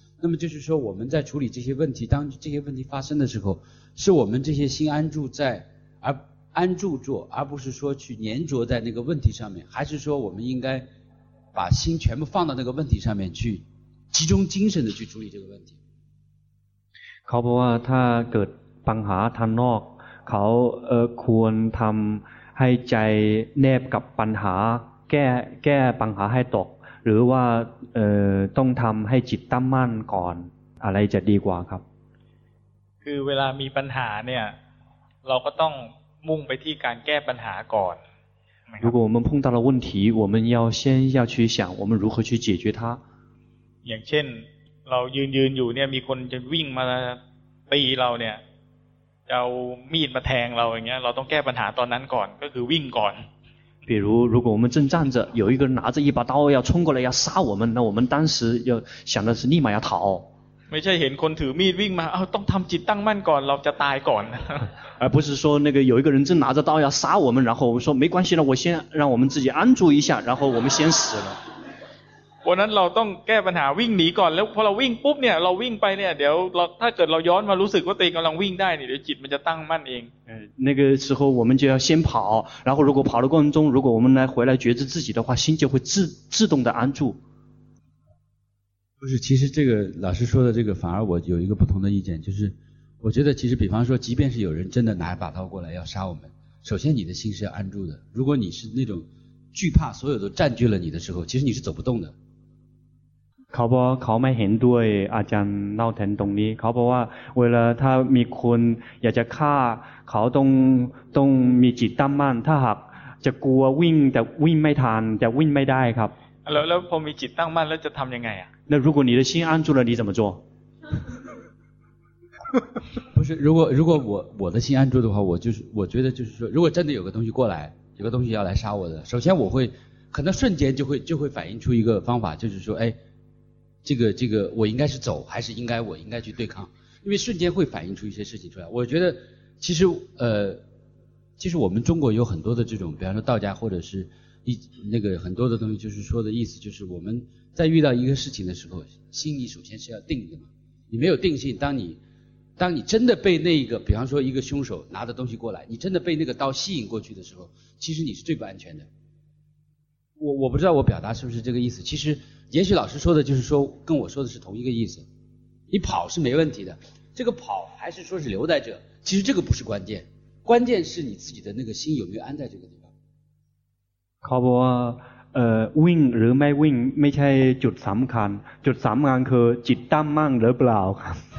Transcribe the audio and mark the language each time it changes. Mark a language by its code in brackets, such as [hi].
[zh] 那么就是说我们在处理这些问题当这些问题发生的时候是我们这些心安住在而安住做而不是说去黏着在那个问题上面还是说我们应该把心全部放到那个问题上面去集中精神的去处理这个问题 [th] เขาบอกว่าถ้าเกิดปัญหาทางนอกเขาควรทำให้ใจแนบกับปัญหาแก้ปัญหาให้ตกหรือว่าต้องทำให้จิตตั้งมั่นก่อนอะไรจะดีกว่าครับ คือเวลามีปัญหาเนี่ยเราก็ต้องมุ่งไปที่การแก้ปัญหาก่อน [zh] 如果我们碰到了问题我们要先要去想我们如何去解决它 [th] อย่างเช่นเรายืนอยู่เนี่ยมีคนจะวิ่งมาตีเราเนี่ยจะเอามีดมาแทงเราอย่างเงี้ยเราต้องแก้ปัญหาตอนนั้นก่อนก็คือวิ่งก่อน [zh] 比如如果我们正站着，有一个人拿着一把刀要冲过来要杀我们，那我们当时要想的是立马要逃。 [th] ไม่ใช่เห็นคนถือมีดวิ่งมาเอ้าต้องทำจิตตั้งมั่นก่อนเราจะตายก่อน [zh] 而不是说那个有一个人正拿着刀要杀我们，然后我们说没关系了，我先让我们自己安住一下，然后我们先死了。 [th] วันนั้นเราต้องแก้ปัญหาวิ่งหนีก่อนแล้วพอเราวิ่งปุ๊บเนี่ยเราวิ่งไปเนี่ยเดี๋ยวถ้าเกิดเราย้อนมารู้สึกว่าตัวเองกำลังวิ่งได้เนี่ยเดี๋ยวจิตมันจะตั้งมั่นเอง [zh] 那个时候我们就要先跑，然后如果跑的过程中，如果我们来回来觉知自己的话，心就会自动的安住。不是，其实这个老师说的这个，反而我有一个不同的意见，就是我觉得其实比方说，即便是有人真的拿一把刀过来要杀我们，首先你的心是要安住的。如果你是那种惧怕所有都占据了你的时候，其实你是走不动的。 [th] เขาบอกเขาไม่เห็นด้วยอาจารย์เล่าถึงตรงนี้เขาบอกว่าเวลาถ้ามีคนอยากจะฆ่าเขาต้องมีจิตตั้งมั่นถ้าหากจะกลัววิ่งแต่วิ่งไม่ทันจะวิ่งไม่ได้ครับ แล้วพอมีจิตตั้งมั่นแล้วจะทำยังไงอ่ะ [zh] 那如果你的心安住了，你怎么做？不是，如果我的心安住的话，我觉得就是说，如果真的有个东西过来，有个东西要来杀我的，首先我会可能瞬间就会反映出一个方法，就是说，哎，这个我应该是走，还是我应该去对抗？因为瞬间会反映出一些事情出来。我觉得其实我们中国有很多的这种，比方说道家或者是很多的东西，就是说的意思就是我们。在遇到一个事情的时候，心你首先是要定的嘛。你没有定性，当你真的被那个，比方说一个凶手拿着东西过来，你真的被那个刀吸引过去的时候，其实你是最不安全的。我不知道我表达是不是这个意思。其实，也许老师说的就是说跟我说的是同一个意思。你跑是没问题的，这个跑还是说是留在这，其实这个不是关键，关键是你自己的那个心有没有安在这个地方。靠不？ [th] วิ่งหรือไม่วิ่งไม่ใช่จุดสำคัญจุดสำคัญคือจิตตั้งมั่นหรือเปล่าครับ